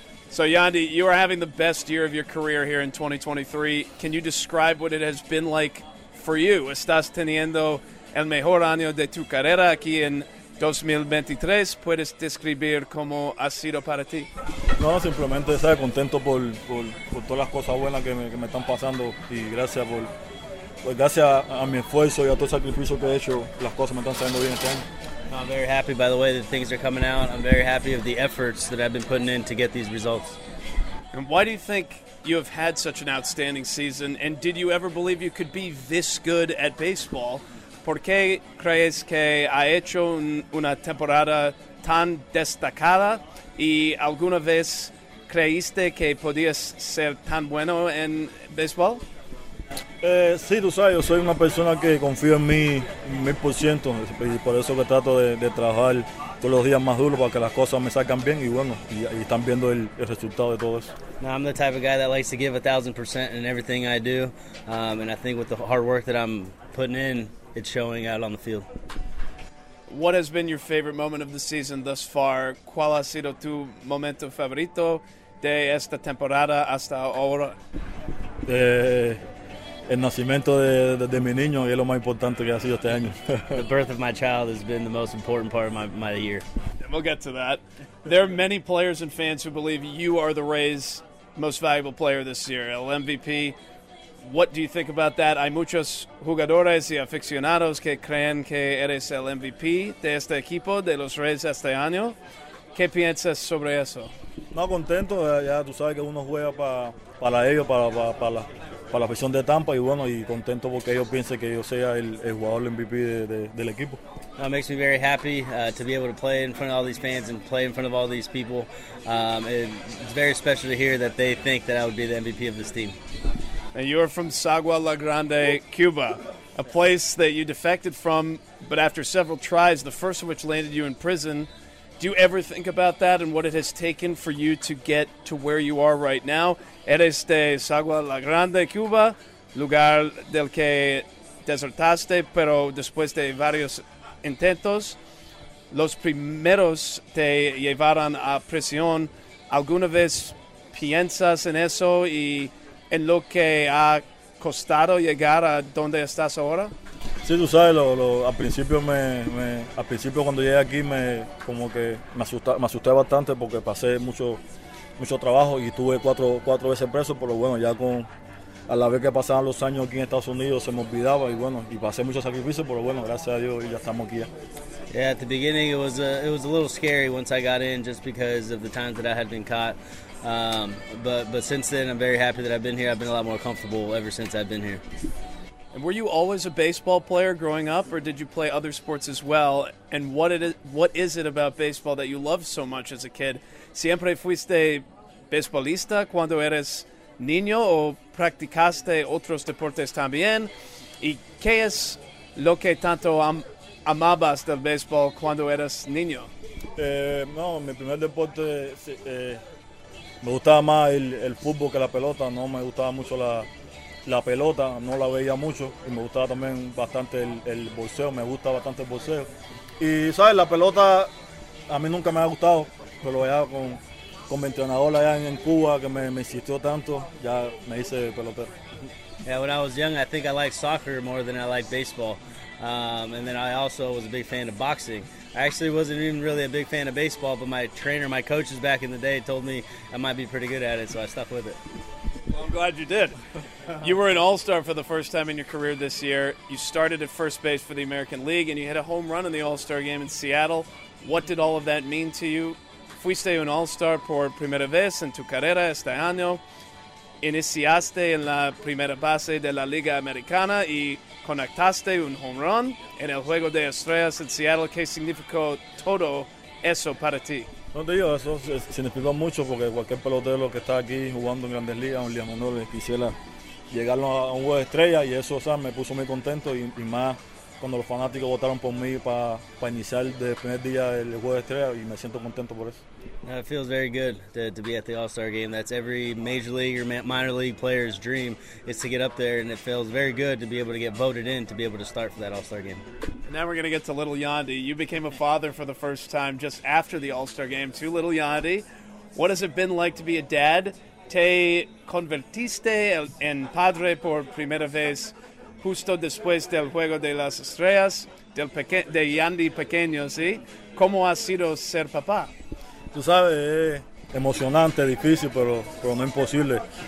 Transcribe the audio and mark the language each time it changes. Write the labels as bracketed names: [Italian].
[English] So, Yandy, you are having the best year of your career here in 2023. Can you describe what it has been like for you? [Spanish] Estás teniendo el mejor año de tu carrera aquí en 2023. ¿Puedes describir cómo ha sido para ti? No, simplemente estoy contento por todas las cosas buenas que me están pasando y gracias por pues gracias a mi esfuerzo y a todo el sacrificio que he hecho, las cosas me están saliendo bien este año. [English] I'm very happy, by the way, that things are coming out. I'm very happy of the efforts that I've been putting in to get these results. And why do you think you have had such an outstanding season, and did you ever believe you could be this good at baseball? [Spanish] ¿Por qué crees que ha hecho una temporada tan destacada? ¿Y alguna vez creíste que podías ser tan bueno en béisbol? Sí, tú sabes, yo soy una persona que confío en mí 1000%. Y por eso que trato de trabajar todos los días más duro para que las cosas me salgan bien. Y bueno, y están viendo el resultado de todo eso. [English] No, I'm the type of guy that likes to give 1000% in everything I do. And I think with the hard work that I'm putting in, it's showing out on the field. What has been your favorite moment of the season thus far? [Spanish] ¿Cuál ha sido tu momento favorito de esta temporada hasta ahora? El nacimiento de mi niño es lo más importante que ha sido este año. [English] The birth of my child has been the most important part of my year. We'll get to that. There are many players and fans who believe you are the Rays' most valuable player this year, el MVP. What do you think about that? [Spanish] Hay muchos jugadores y aficionados que creen que eres el MVP de este equipo, de los Rays este año. ¿Qué piensas sobre eso? No, contento. Ya tú sabes que uno juega para ellos, para la afición de Tampa. Y bueno, y contento porque ellos piensen que yo sea el jugador MVP del equipo. [English] No, it makes me very happy to be able to play in front of all these fans and play in front of all these people. It's very special to hear that they think that I would be the MVP of this team. And you're from Sagua La Grande, Cuba, a place that you defected from, but after several tries, the first of which landed you in prison. Do you ever think about that and what it has taken for you to get to where you are right now? [Spanish] Eres de Sagua La Grande, Cuba, lugar del que desertaste, pero después de varios intentos, los primeros te llevaron a prisión. ¿Alguna vez piensas en eso y en lo que ha costado llegar a donde estás ahora? Sí, tú sabes, al principio cuando llegué aquí me asusté bastante porque pasé mucho trabajo y estuve cuatro veces preso, pero bueno, ya a la vez que pasaban los años aquí en Estados Unidos se me olvidaba y bueno, y pasé mucho sacrificio, pero bueno, gracias a Dios ya estamos aquí. [English] Yeah, at the beginning it was a little scary once I got in just because of the times that I had been caught. But since then I'm very happy that I've been here. I've been a lot more comfortable ever since I've been here. And were you always a baseball player growing up, or did you play other sports as well? And what is it about baseball that you love so much as a kid? [Spanish] ¿Siempre fuiste beisbolista cuando eres niño o practicaste otros deportes también? ¿Y qué es lo que tanto amabas del baseball cuando eras niño? No, mi primer deporte, me gustaba más el fútbol que la pelota. No me gustaba mucho la pelota, no la veía mucho, y me gustaba también bastante el boxeo, me gusta bastante el boxeo. Y sabes, la pelota a mí nunca me ha gustado, pero ya con mi entrenador allá en Cuba, que me insistió tanto, ya me hice pelotero. [English] Yeah, when I was young, I think I liked soccer more than I liked baseball. And then I also was a big fan of boxing. I actually wasn't even really a big fan of baseball, but my trainer, my coaches back in the day told me I might be pretty good at it, so I stuck with it. Well, I'm glad you did. You were an All-Star for the first time in your career this year. You started at first base for the American League, and you hit a home run in the All-Star game in Seattle. What did all of that mean to you? [Spanish] Fuiste un All-Star por primera vez en tu carrera este año. Iniciaste en la primera base de la Liga Americana y conectaste un home run en el juego de estrellas en Seattle. ¿Qué significó todo eso para ti? No te digo, eso significó mucho porque cualquier pelotero que está aquí jugando en Grandes Ligas, un Liga Menor, quisiera llegar a un juego de estrellas, y eso, o sea, me puso muy contento, y más cuando los fanáticos votaron por mí para iniciar desde el primer día el juego de estrellas, y me siento contento por eso. [English] It feels very good to be at the All-Star Game. That's every major league or minor league player's dream, is to get up there, and it feels very good to be able to get voted in to be able to start for that All-Star Game. Now we're going to get to Little Yandy. You became a father for the first time just after the All-Star Game to Little Yandy. What has it been like to be a dad? [Spanish] Te convertiste en padre por primera vez justo después del juego de las estrellas de Yandy Pequeño, ¿sí? ¿Cómo ha sido ser papá? Tú sabes, es emocionante, difícil, pero no imposible.